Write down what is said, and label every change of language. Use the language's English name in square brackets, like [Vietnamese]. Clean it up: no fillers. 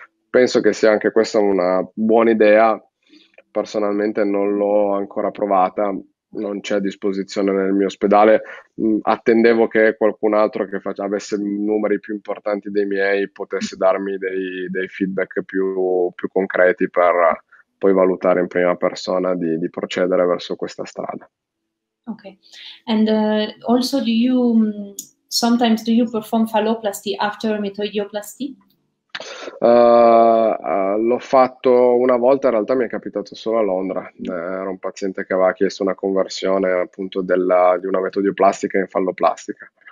[Italian] Penso che sia anche questa una buona idea. Personalmente non l'ho ancora provata, non c'è a disposizione nel mio ospedale. Attendevo che qualcun altro che avesse numeri più importanti dei miei potesse darmi dei feedback più concreti per poi valutare in prima persona di procedere verso questa strada. [English] Okay. And also sometimes do you perform falloplasty after metoidioplasty? [Italian] L'ho fatto una volta, in realtà mi è capitato solo a Londra. Era un paziente che aveva chiesto una conversione appunto di una metodioplastica in falloplastica.